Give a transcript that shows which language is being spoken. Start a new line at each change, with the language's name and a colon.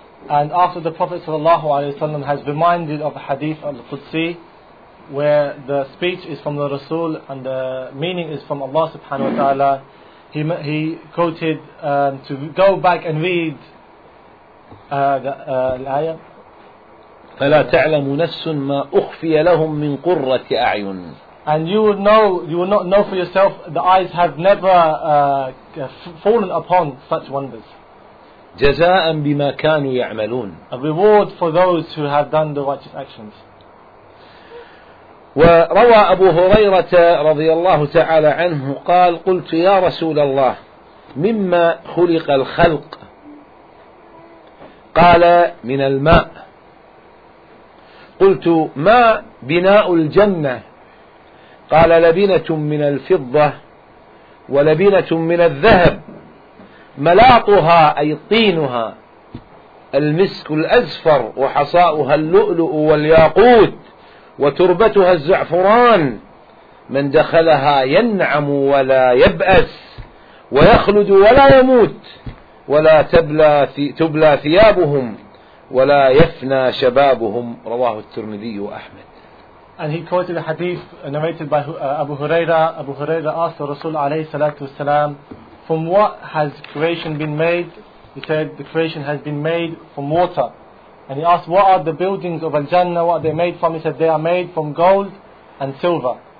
English: And after the Prophet sallallahu alaihi wasallam has reminded of the hadith al-Qudsi, where the speech is from the Rasul and the meaning is from Allah subhanahu wa ta'ala, he quoted to go back and read the ayah.
Arabic: فلا تعلم نفس ما أخفي لهم من قرة أعين.
English: And you would know, you would not know for yourself, the eyes have never fallen upon such wonders.
Arabic: جزاء بما كانوا يعملون.
English: A reward for those who have done the righteous actions.
Arabic: وروى أبو هريرة رضي الله تعالى عنه قال قلت يا رسول الله مما خلق الخلق قال من الماء قلت ما بناء الجنة قال لبنة من الفضة ولبنة من الذهب ملاطها أي طينها المسك الأزفر وحصاؤها اللؤلؤ والياقوت وتربتها الزعفران من دخلها ينعم ولا يبأس ويخلد ولا يموت ولا تبلى ثيابهم ولا يفنى شبابهم رواه الترمذي وأحمد.
English: And he quoted a hadith narrated by Abu Huraira. Abu Huraira asked the Rasul alayhi salatu wasalam, from what has creation been made? He said, the creation has been made from water. And he asked, what are the buildings of Al-Jannah? What are they made from? He said, they are made from gold and silver.